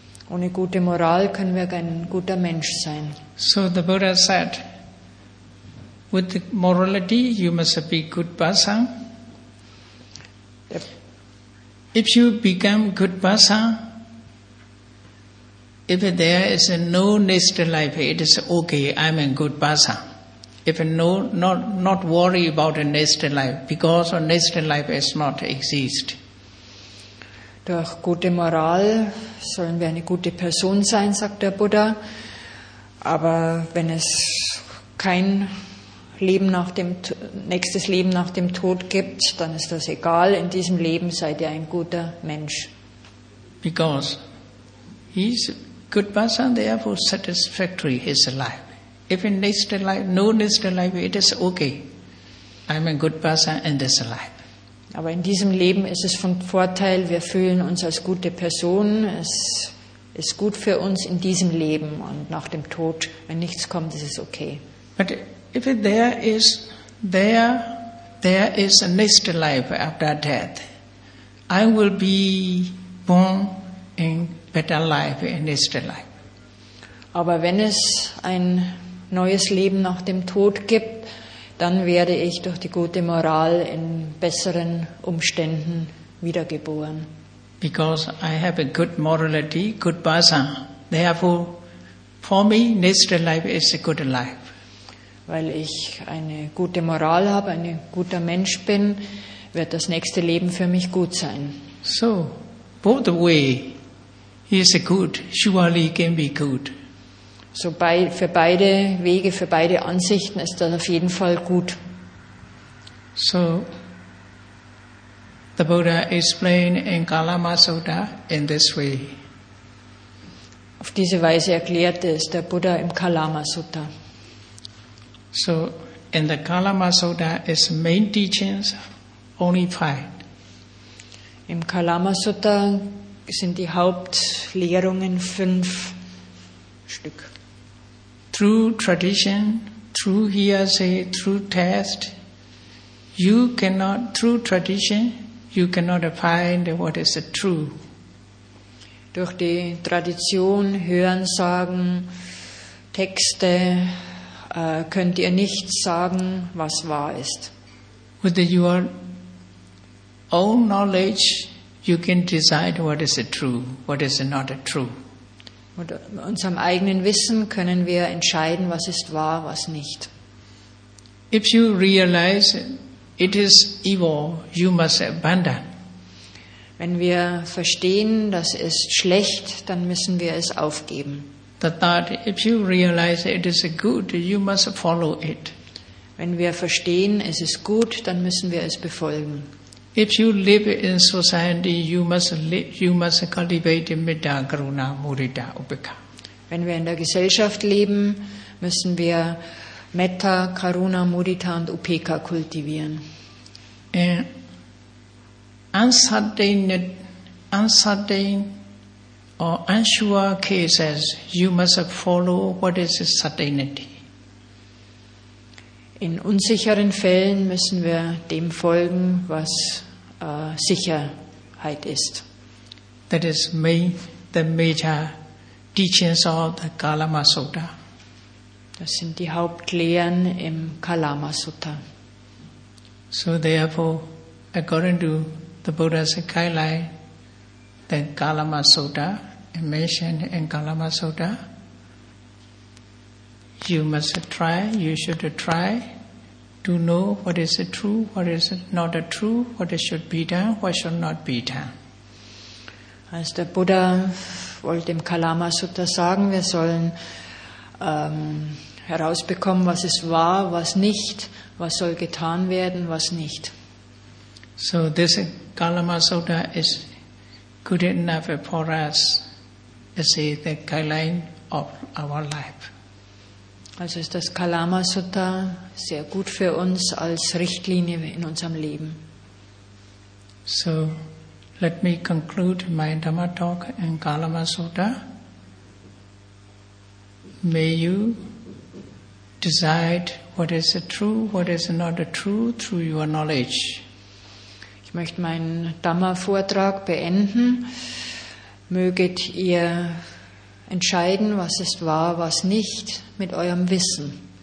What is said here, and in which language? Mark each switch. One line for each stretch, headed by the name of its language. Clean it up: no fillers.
German: Ohne gute Moral können wir kein guter Mensch sein.
English: So the Buddha said, with morality you must be good person. If you become good person, if there is no next life, it is okay, I'm a good person. If no, not worry about a next life, because a next life is not exist.
German: Durch gute Moral sollen wir eine gute Person sein, sagt der Buddha. Aber wenn es kein Leben nach dem nächstes Leben nach dem Tod gibt, dann ist das egal. In diesem Leben seid ihr ein guter Mensch.
English: Because he's good person, therefore satisfactory his life. If in next life, no next life, it is okay. I'm a good person in this life.
German: Aber in diesem Leben ist es von Vorteil. Wir fühlen uns als gute Person. Es ist gut für uns in diesem Leben und nach dem Tod, wenn nichts kommt, ist es okay.
English: But if there is a next life after death, I will be born in better life in next life.
German: Aber wenn es ein neues Leben nach dem Tod gibt, dann werde ich durch die gute Moral in besseren Umständen wiedergeboren.
English: Because I have a good morality, good basa. Therefore, for me, next life is a good life.
German: Weil ich eine gute Moral habe, ein guter Mensch bin, wird das nächste Leben für mich gut sein.
English: So, both way is a good, surely can be good.
German: So bei, für beide Wege, für beide Ansichten ist das auf jeden Fall gut.
English: So, the Buddha explained in Kalama Sutta in this way.
German: Auf diese Weise erklärte es der Buddha im Kalama Sutta.
English: So, in the Kalama Sutta is main teachings only five.
German: Im Kalama Sutta sind die Hauptlehrungen fünf Stück.
English: Through tradition, through hearsay, through test, you cannot find what is the true.
German: Durch die Tradition, Hörensagen, Texte könnt ihr nicht sagen, was wahr ist.
English: With your own knowledge, you can decide what is the true, what is not the true.
German: Mit unserem eigenen Wissen können wir entscheiden, was ist wahr, was nicht.
English: If you realize it is evil, you must abandon.
German: Wenn wir verstehen, das ist schlecht, dann müssen wir es aufgeben.
English: The thought, if you realize it is good, you must follow it.
German: Wenn wir verstehen, es ist gut, dann müssen wir es befolgen.
English: If you live in society, you must cultivate metta, karuna, mudita, upekkha.
German: Wenn wir in der Gesellschaft leben, müssen wir Metta, Karuna, Mudita und Upekkha kultivieren.
English: Uncertain or unsure cases, you must follow what is certainty.
German: In unsicheren Fällen müssen wir dem folgen, was Sicherheit ist.
English: That is the major teachings of the Kalama Sutta.
German: Das sind die Hauptlehren im Kalama Sutta.
English: So therefore, according to the Buddha's guideline, the Kalama Sutta, mentioned in Kalama Sutta, you should try to know what is true, what is not true, what should be done, what should not be done.
German: Als der Buddha wollte im Kalama Sutta sagen, wir sollen herausbekommen, was ist wahr, was nicht, was soll getan werden, was nicht.
English: So this Kalama Sutta is good enough for us to see the guideline of our life.
German: Also ist das Kalama Sutta sehr gut für uns als Richtlinie in unserem Leben.
English: So, let me conclude my Dhamma talk in Kalama Sutta. May you decide what is true, what is not true through your knowledge.
German: Ich möchte meinen Dhamma-Vortrag beenden. Möget ihr entscheiden, was ist wahr, was nicht, mit eurem Wissen.